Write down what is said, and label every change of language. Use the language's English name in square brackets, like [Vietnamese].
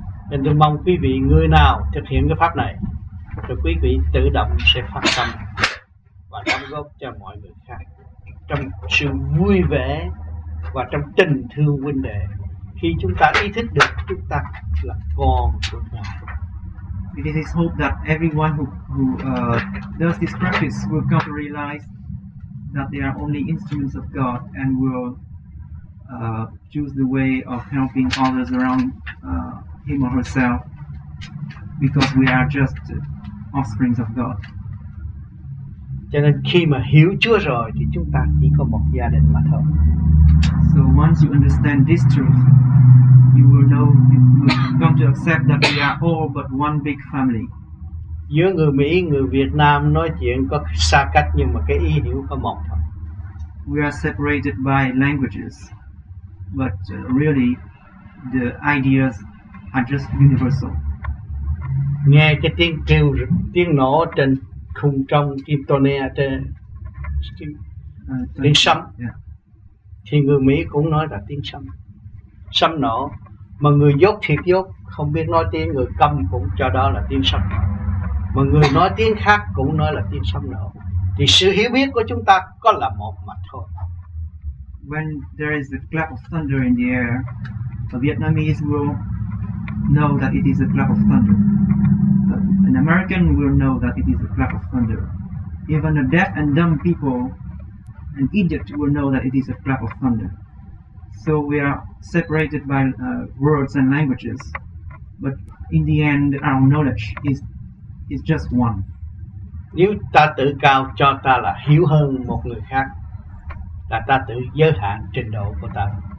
[Vietnamese] Nên tôi mong quý vị người nào thực hiện cái pháp này, rồi quý vị tự động sẽ phát tâm và đóng góp cho mọi người khác trong sự vui vẻ và trong tình thương huynh đệ. Khi chúng ta ý thức được chúng ta là con của Ngài. [English] It is his hope that everyone who does this practice will come to realize that they are only instruments of God and will choose the way of helping others around him or herself because we are just offsprings of God. [Vietnamese] Cho nên khi mà hiểu Chúa rồi thì chúng ta chỉ có một gia đình mà thôi. [English] So once you understand this truth, you will know, you will come to accept that we are all but one big family. [Vietnamese] Giữa người Mỹ, người Việt Nam nói chuyện có xa cách nhưng mà cái ý hiểu có một thôi. [English] We are separated by languages, but really the ideas are just universal. [Vietnamese] Nghe cái tiếng kêu, tiếng nổ trên khung trong kim tone trên tiếng sấm, thì người Mỹ cũng nói là tiếng sấm, sấm nổ. Mà người dốt thiệt dốt không biết nói tiếng, người câm cũng cho đó là tiếng sấm. Mà người nói tiếng khác cũng nói là tiếng sấm nổ. Thì sự hiểu biết của chúng ta có là một mặt thôi. [English] When there is a clap of thunder in the air, a Vietnamese will know that it is a clap of thunder. An American will know that it is a clap of thunder. Even a deaf and dumb people, an idiot, will know that it is a clap of thunder. So we are separated by words and languages, but in the end, our knowledge is just one. [Vietnamese] Nếu ta tự cao cho ta là hiểu hơn một người khác, là ta tự giới hạn trình độ của ta.